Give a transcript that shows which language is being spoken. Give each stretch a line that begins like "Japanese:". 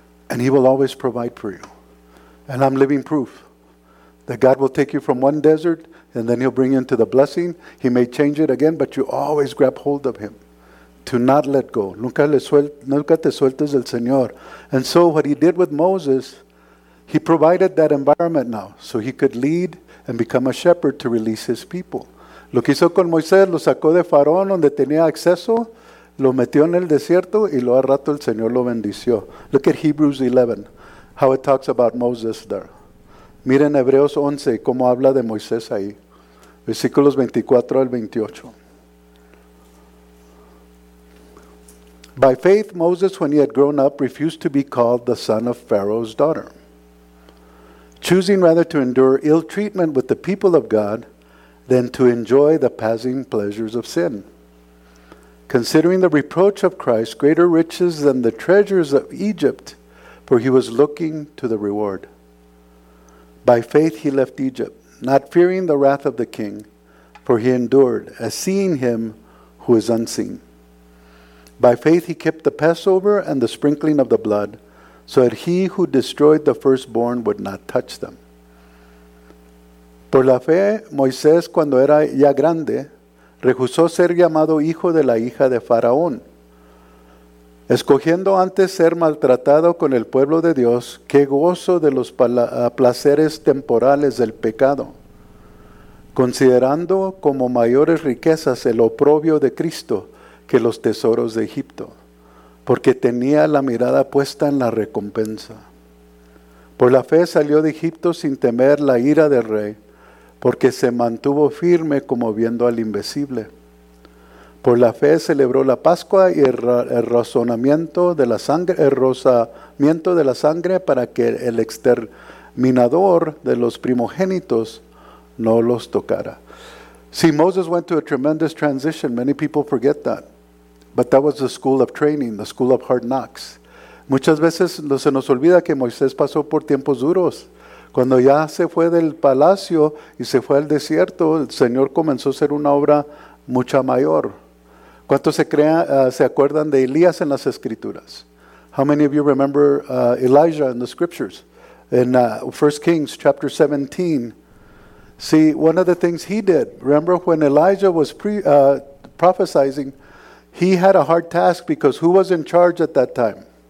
English: And He will always provide for you. And I'm living proof that God will take you from one desert and then He'll bring you into the blessing. He may change it again, but you always grab hold of Him. To not let go.
Spanish: Nunca te sueltes del Señor.
English: And so what He did with Moses, He provided that environment now so He could lead and become a shepherd to release His people.
Spanish: Lo que hizo con Moisés, lo sacó de Faraón donde tenía acceso, lo metió en el desierto y luego al rato el Señor lo bendició.
English: Look at Hebrews 11, how it talks about Moses there.
Spanish: Miren Hebreos 11, cómo habla de Moisés ahí. Versículos 24 al 28.
English: By faith, Moses, when he had grown up, refused to be called the son of Pharaoh's daughter, choosing rather to endure ill treatment with the people of God than to enjoy the passing pleasures of sin. Considering the reproach of Christ greater riches than the treasures of Egypt, for he was looking to the reward. By faith, he left Egypt, not fearing the wrath of the king, for he endured as seeing him who is unseen. By faith, he kept the Passover and the sprinkling of the blood, so that he who destroyed the firstborn would not touch them.
Spanish: Por la fe, Moisés, cuando era ya grande, rehusó ser llamado hijo de la hija de Faraón, escogiendo antes ser maltratado con el pueblo de Dios que gozo de los placeres temporales del pecado, considerando como mayores riquezas el oprobio de Cristo, que los tesoros de Egipto, porque tenía la mirada puesta en la recompensa. Por la fe salió de Egipto sin temer la ira del rey, porque se mantuvo firme como viendo al invisible. Por la fe celebró la Pascua y el rozamiento de la sangre para que el exterminador de los primogénitos no los tocara.
English: See, Moses went through a tremendous transition. Many people forget that. But that was the school of training, the school of hard knocks.
Spanish: Muchas veces se nos olvida que Moisés pasó por tiempos duros. Cuando ya se fue del palacio y se fue al desierto, el Señor comenzó a hacer una obra mucha mayor. ¿Cuántos se acuerdan de Elías en las Escrituras?
English: How many of you remember Elijah in the Scriptures? In 1 Kings chapter 17. See, one of the things he did, remember when Elijah was prophesizing, he had a hard task because who was in charge at that time?